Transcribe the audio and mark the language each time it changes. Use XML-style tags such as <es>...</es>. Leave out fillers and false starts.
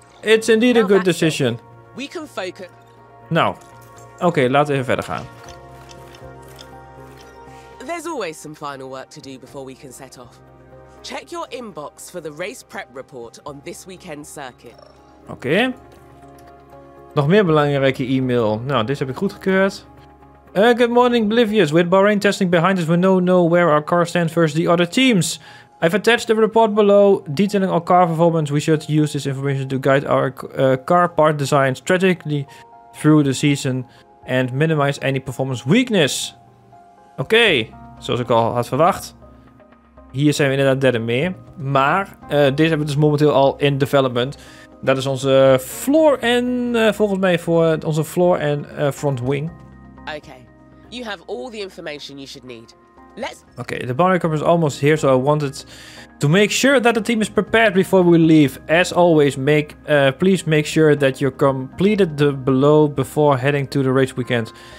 <en>It's indeed a good decision. We can focus.</en> <nl>Nou, oké, laten we even verder gaan.</nl> <en>There's always some final work to do before we can set off. Check your inbox for the race prep report on this weekend's circuit.</en> <nl>Oké. Nog meer belangrijke e-mail. Nou, deze heb ik goedgekeurd.</nl> <en>Good morning, Blivius. With Bahrain testing behind us, we don't know where our car stands versus the other teams. I've attached a report below detailing our car performance. We should use this information to guide our car part design strategically through the season and minimize any performance weakness.</en> <nl>Oké, zoals ik al had verwacht. Hier zijn we inderdaad derde meer. Maar deze hebben we dus momenteel al in development. Dat is onze floor en volgens mij voor onze floor en front wing.</nl> <en>Oké, you have all the information you should need. Let's. Oké, the boundary cover is almost here, so I wanted to make sure that the team is prepared before we leave. As always, please make sure that you completed the below before heading to the race weekend.</en>